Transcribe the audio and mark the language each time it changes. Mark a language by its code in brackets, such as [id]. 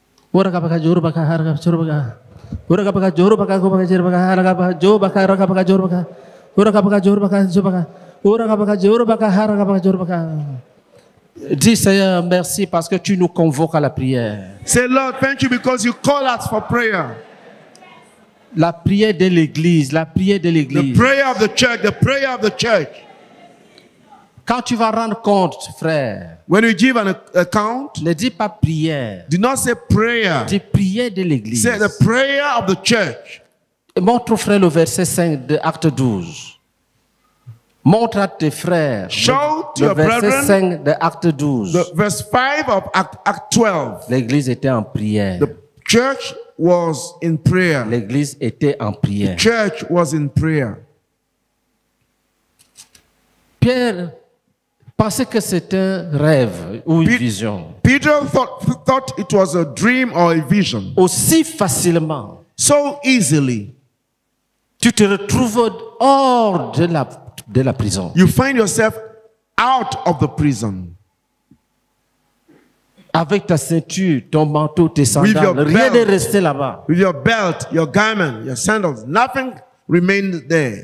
[fr] Dis Seigneur merci parce que tu nous convoques à la prière. [en] Say Lord, thank you because you call us for prayer. [fr] La prière de l'église, la prière de l'église. [en] The prayer of the church, the prayer of the church. [fr] Quand tu vas rendre compte, frère. [en] When you give an account. [fr] Ne dis pas prière. [en] Do not say prayer. [fr] Dis prière de l'église. [en] Say the prayer of the church. [fr] Montre au frère le verset 5 de Acte 12. Montre à tes frères [en] show to [fr] le verset [en] brethren, [fr] 5 de Acte 12. [en] The verse 5 of Act 12. [fr] L'église était en prière. [en] The church was in prayer. [fr] L'église était en prière. [en] The church was in prayer. [fr] Pierre pensait que c'était un rêve ou une vision. [en] Peter thought it was a dream or a vision. [fr] Aussi facilement. [en] So easily. [fr] Tu te retrouves hors de la prison. [en] You find yourself out of the prison. [fr] Avec ta ceinture, ton manteau, tes sandales, rien n'est resté là-bas. [en] With your belt, your garment, your sandals, nothing remained there.